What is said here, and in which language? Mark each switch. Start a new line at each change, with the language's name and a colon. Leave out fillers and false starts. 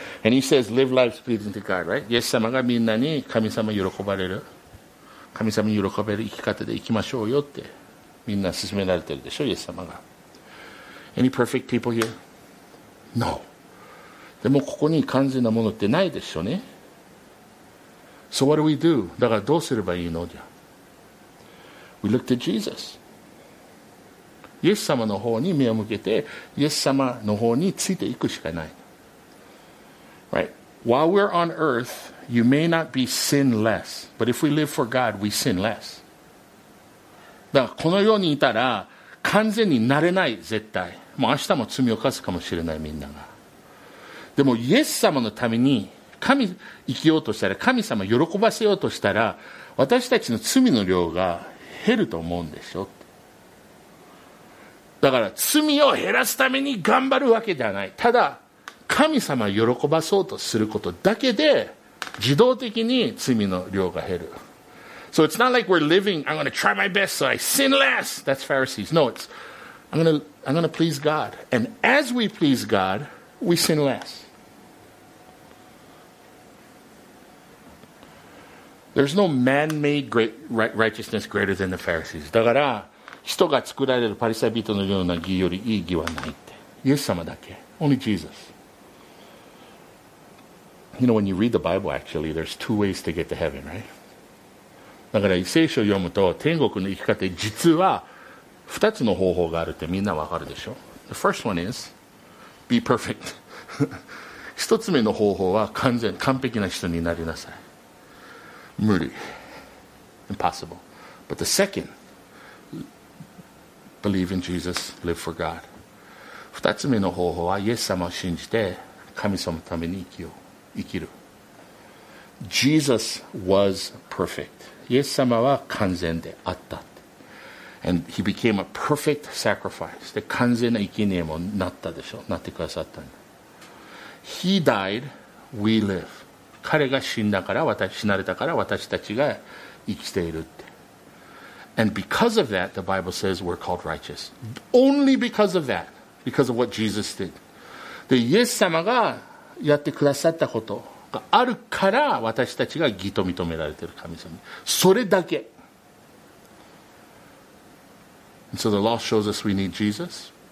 English: And he says, live life pleasing to God, right?
Japanese: イエス様がみんなに神様喜ばれる。神様に喜ばれる生き方で生きましょうよって、みんな勧められてるでしょ、イエス様が。
English: Any perfect people here? No.
Japanese: でもここに完全なものってないでしょうね。
English: So what do we do?
Japanese: だからどうすればいいのじゃ。
English: We look to Jesus.
Japanese: イエス様の方に目を向けて、イエス様の方についていくしかない。
English: Right. While we're on earth, you may not be sinless, but if we live for God, we sin less.
Japanese: だからこの世にいたら完全になれない、絶対。もう明日も罪を犯すかもしれない、みんなが。でもイエス様のために神生きようとしたら、神様喜ばせようとしたら、私たちの罪の量が減ると思うんでしょ。だから罪を減らすために頑張るわけではない。ただ神様喜ばそうとすることだけで自動的に罪の量が減る。
English: So it's not like we're living, I'm going to try my best so I sin less. That's Pharisees. No, it's I'm going to please God. And as we please God, we sin less. There's no man-made great righteousness greater than the Pharisees.
Japanese: だから人が作られるパリサイ人のような義よりいい義はないって。イエス様だけ。
English: Only Jesus. You know, when you read the Bible, actually, there's two ways to get to heaven, right?
Japanese: だから聖書を読むと、天国の生き方で実は二つの方法があるってみんなわかるでしょ。
English: The first one is, be perfect.
Japanese: 一つ目の方法は完璧な人になりなさい。無理。
English: Impossible. But the second, believe in Jesus, live for God.
Japanese: 二つ目の方法は、イエス様を信じて、神様のために生きる。
English: Jesus was perfect.
Japanese: イエス様は完全であった。
English: And he became a perfect sacrifice.
Japanese: で、完全な生贄もなったでしょ。なってくださったんだ。
English: He died, we live.
Japanese: 彼が死んだから死なれたから私たちが生きているって。
English: And because of that, the Bible says we're called righteous. Only because of that, because of what Jesus did.
Japanese: で、イエス様がやってくださったことがあるから私たちが義と認められている神様。それだけ。
English: And so the law shows us we need Jesus.